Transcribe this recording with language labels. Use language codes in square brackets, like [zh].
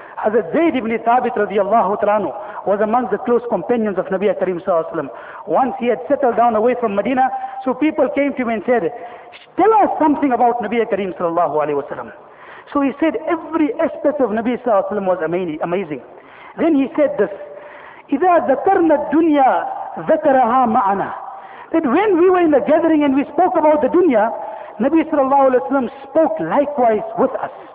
[en] Hazrat Zayd ibn Thabit radiallahu ta'ala anhu was among the close companions of Nabi Kareem sallallahu alaihi wasallam. Once he had settled down away from Medina, so people came to him and said, tell us something about Nabi Kareem sallallahu alaihi wasallam. So he said, every aspect of Nabi sallallahu alaihi wasallam was amazing. Then he said this, [ar] إِذَا ذَكَرْنَا الدُّنْيَا ذَكَرَهَا مَعَنَا. [en] That when we were in the gathering and we spoke about the dunya, Nabi sallallahu alaihi wasallam spoke likewise with us.